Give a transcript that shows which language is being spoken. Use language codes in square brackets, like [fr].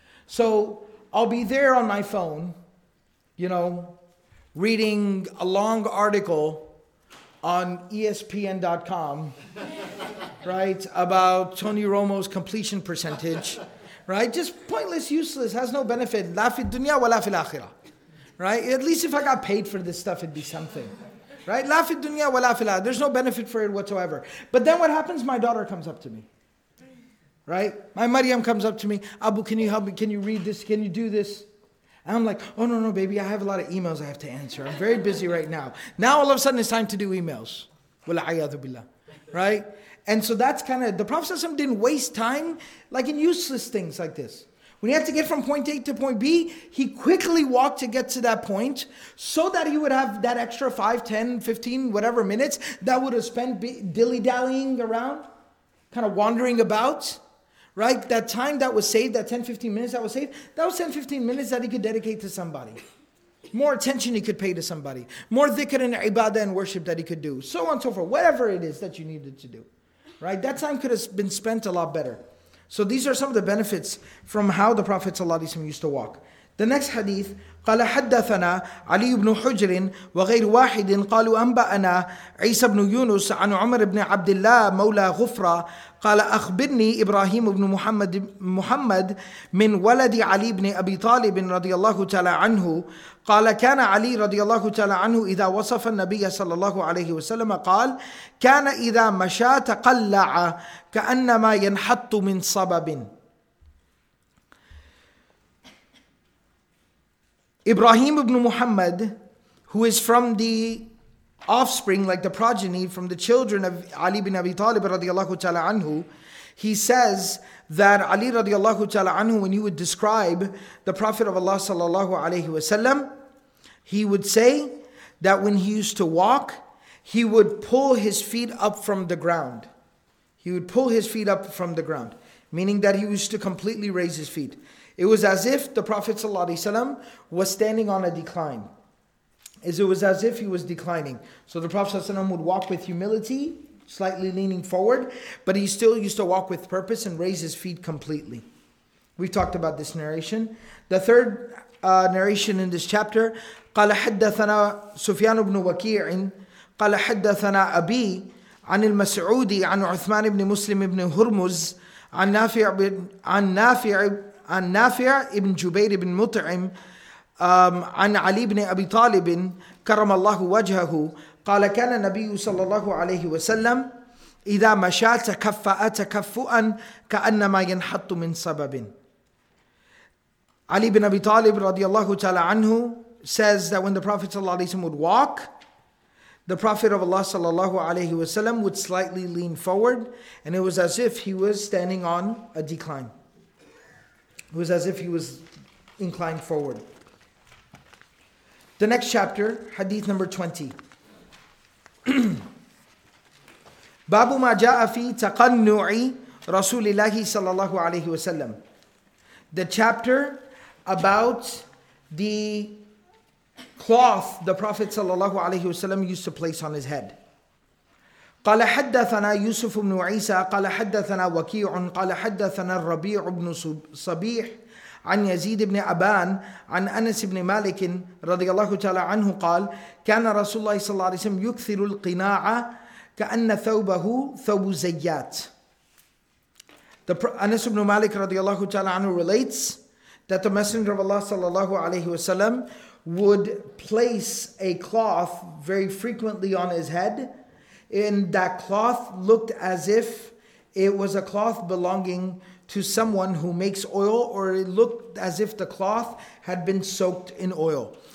[en] So I'll be there on my phone, you know, reading a long article on ESPN.com, right, about Tony Romo's completion percentage, right? Just pointless, useless, has no benefit. [ar] لا في الدنيا ولا في الآخرة, right? [en] At least if I got paid for this stuff, it'd be something. Right? [ar] La fi dunya wa la fi la. [en] There's no benefit for it whatsoever. But then what happens? My daughter comes up to me. Right? My Maryam comes up to me. Abu, can you help me? Can you read this? Can you do this? And I'm like, oh, no, baby. I have a lot of emails I have to answer. I'm very busy right now. Now all of a sudden it's time to do emails. [ar] Wala ayyadu billah. [en] Right? And so that's kind of, the Prophet ﷺ didn't waste time like in useless things like this. When he had to get from point A to point B, he quickly walked to get to that point so that he would have that extra 5, 10, 15, whatever minutes that would have spent dilly-dallying around, kind of wandering about, right? That time that was saved, that 10, 15 minutes that was saved, that was 10, 15 minutes that he could dedicate to somebody. More attention he could pay to somebody. More dhikr and ibadah and worship that he could do. So on and so forth. Whatever it is that you needed to do, right? That time could have been spent a lot better. So these are some of the benefits from how the Prophet ﷺ used to walk. The next hadith, [ar] قَالَ حَدَّثَنَا عَلِيُّ بْنُ حُجْرٍ وَغَيْرُ وَاحِدٍ قَالُوا أَنْبَأَنَا عِيسَى بْنُ يُونُسَ عَنْ عُمَرِ بْنِ عَبْدِ اللَّهِ مَوْلَى غُفْرَ قَالَ أَخْبِرْنِي إِبْرَاهِيمُ بْنُ مُحَمَّدٍ مِنْ وَلَدِ عَلِي بْنِ أَبِي طَالِبٍ رَضِيَ اللَّهُ تَعَالَى عَنْهُ قال كان علي رضي الله تعالى عنه إذا وصف النبي صلى الله عليه وسلم قال كان إذا مشى تقلع كأنما ينحط من صبب. [en] Ibrahim ibn Muhammad, who is from the offspring, like the progeny, from the children of Ali ibn Abi Talib [ar] رضي الله تعالى عنه, [en] he says that Ali رضي الله تعالى عنه, when he would describe the Prophet of Allah [ar] صلى الله عليه وسلم, [en] he would say that when he used to walk, he would pull his feet up from the ground. He would pull his feet up from the ground, meaning that he used to completely raise his feet. It was as if the Prophet ﷺ was standing on a decline. It was as if he was declining. So the Prophet ﷺ would walk with humility, slightly leaning forward, but he still used to walk with purpose and raise his feet completely. We've talked about this narration. The third narration in this chapter, [ar] قال حدثنا سفيان بن وكيع قال حدثنا أبي عن المسعود عن عثمان بن مسلم بن هرمز عن نافع بن عن نافع بن جبير بن مطعم عن علي بن أبي طالب كرم الله وجهه قال كان النبي صلى الله عليه وسلم إذا مشى تكفأ تكفؤا كأنما ينحط من صبب. [en] علي بن أبي طالب [ar] رضي الله تعالى عنه [en] says that when the Prophet ﷺ would walk, the Prophet of Allah ﷺ would slightly lean forward, and it was as if he was standing on a decline. It was as if he was inclined forward. The next chapter, hadith number 20. [ar] بَابُ مَا جَاءَ فِي تَقَنُّعِ رَسُولِ اللَّهِ صَلَّى اللَّهُ عَلَيْهِ وَسَلَّمْ. [en] The chapter about the cloth the Prophet [ar] sallallahu alaihi wasallam [en] used to place on his head. [ar] قال حدثنا يوسف بن عيسى قال حدثنا وكيع قال حدثنا الربيع بن صبيح عن يزيد بن أبان عن أنس بن مالك رضي الله تعالى عنه قال كان رسول الله صلى الله عليه وسلم يكثر القناع كأن ثوبه ثوب زيات. [en] أنس بن مالك [ar] رضي الله تعالى عنه [en] relates that the Messenger of Allah [ar] sallallahu alaihi wasallam [en] would place a cloth very frequently on his head, and that cloth looked as if it was a cloth belonging to someone who makes oil, or it looked as if the cloth had been soaked in oil.